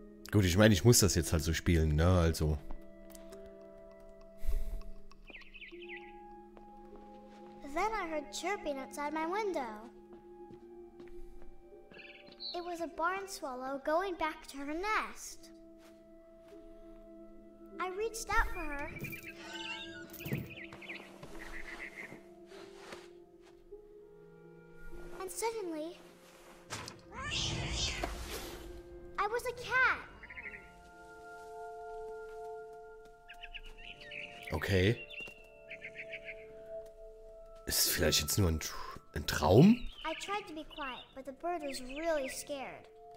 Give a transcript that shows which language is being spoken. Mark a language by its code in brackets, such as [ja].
[de] Gut, ich meine, ich muss das jetzt halt so spielen, ne, also. [en] Then I heard chirping outside my window. It was a barn swallow going back to her nest. I reached out for her. And suddenly, I was a cat. Okay. [de] Ist es vielleicht jetzt nur ein Traum? [en] I tried to be quiet, but the bird was really scared.